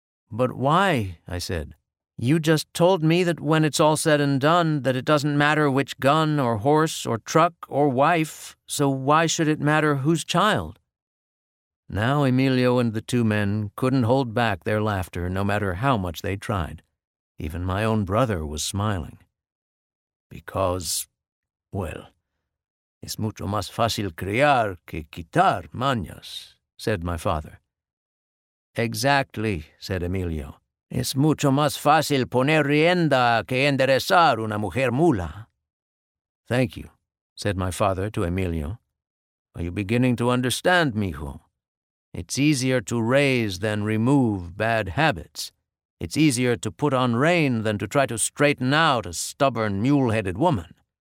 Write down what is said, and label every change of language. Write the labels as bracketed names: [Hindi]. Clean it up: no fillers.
[English] But why, I said, you just told me that when it's all said and done, that it doesn't matter which gun or horse or truck or wife, so why should it matter whose child? Now Emilio and the two men couldn't hold back their laughter no matter how much they tried. Even my own brother was smiling. Because, well, [Spanish] es mucho más fácil criar que quitar mañas, [English] said my father. Exactly, said Emilio. [Spanish] Es mucho más fácil poner rienda que enderezar una mujer mula. [English] Thank you, said my father to Emilio. Are you beginning to understand, mijo? It's easier to raise than remove bad habits. It's easier to put on rein than to try to straighten out a stubborn, mule-headed woman.